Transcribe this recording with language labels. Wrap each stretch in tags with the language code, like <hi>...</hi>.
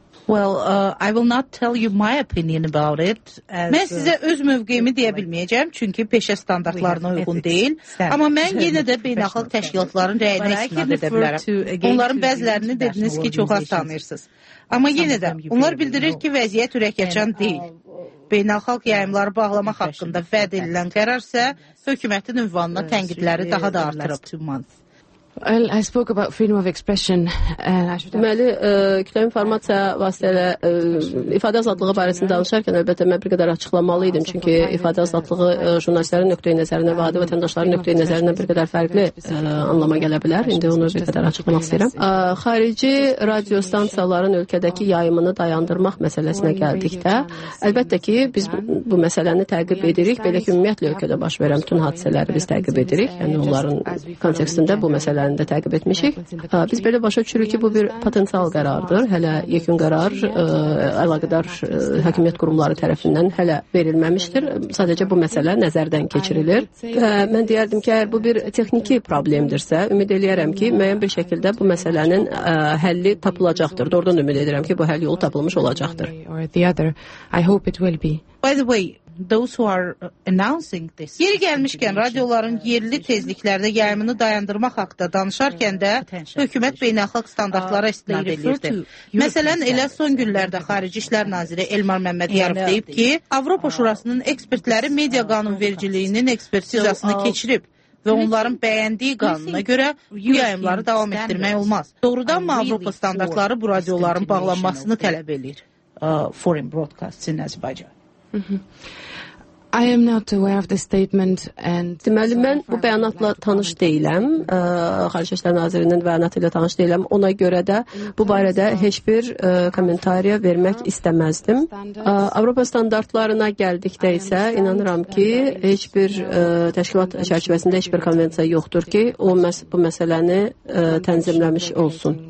<en>Well, I will not tell you my opinion about it.</en> <az>Mən sizə öz mövqeyimi deyə bilməyəcəm, çünki peşə standartlarına uyğun deyil. Amma mən yenə də beynəlxalq təşkilatların rəyinə istinad edə bilərəm. Onların bəzilərini dediniz ki, çox az tanıyırsınız. Amma yenə də, onlar bildirir ki, vəziyyət ürəkaçan deyil. Beynəlxalq yayımları bağlamaq haqqında vəd edilən qərar isə hökumətin ünvanına tənqidləri daha da artırıb.</az> <en>Well, I spoke about freedom of expression and</en> <az>deməli, kütləvi informasiya vasitələ ifadə azadlığı barəsində danışarkən əlbəttə mən bir qədər açıqlamalı idim, çünki ifadə azadlığı jurnalistlərin nöqtəyi nəzərindən və adi vətəndaşların nöqtəyi nəzərindən bir qədər fərqli anlama gələ bilər. İndi onu bir qədər açıqlamaq istəyirəm. Xarici radio stansiyaların ölkədəki yayımını dayandırmaq məsələsinə gəldikdə, əlbəttə ki, biz bu məsələni təqib edirik, belə ki, ümumiyyətlə ölkədə baş verən bütün hadisələri biz təqib edirik, yəni onların kontekstində bu məsələlərini də təqib etmişik. Biz belə başa düşürük ki, bu bir potensial qərardır. Hələ yekun qərar əlaqədar hakimiyyət qurumları tərəfindən hələ verilməmişdir. Sadəcə bu məsələ nəzərdən keçirilir. Mən deyərdim ki, əgər bu bir texniki problemdirsə, ümid eləyərəm ki, müəyyən bir şəkildə bu məsələnin həlli tapılacaqdır. Doğrudan ümid edirəm ki, bu həll yolu tapılmış olacaqdır.</az> <en>I hope it will be. By the way, those who are announcing this.</en> <az>Yeri gəlmişkən radioların yerli tezliklərdə yayımını dayandırmaq haqqında danışarkən də hökumət beynəlxalq standartlara istinad edirdi. Məsələn, elə son günlərdə Xarici İşlər Naziri Elmar Məmmədyarov deyib ki, Avropa Şurasının ekspertləri media qanunvericiliyinin ekspertizasını keçirib və onların bəyəndiyi qanuna görə bu yayımları davam etdirmək olmaz. Doğrudan mı Avropa standartları bu radioların bağlanmasını tələb edir?</az> <en>Foreign broadcasts in Azerbaijan. I am not aware of the statement and</en> <az>deməli mən bu bəyanatla tanış deyiləm. Xarici İşlər Nazirinin bəyanatı ilə tanış deyiləm. Ona görə də bu barədə heç bir kommentariya vermək istəməzdim. Avropa standartlarına gəldikdə isə inanıram ki, heç bir təşkilat çərçivəsində heç bir konvensiya yoxdur ki, o bu məsələni tənzimləmiş olsun.</az>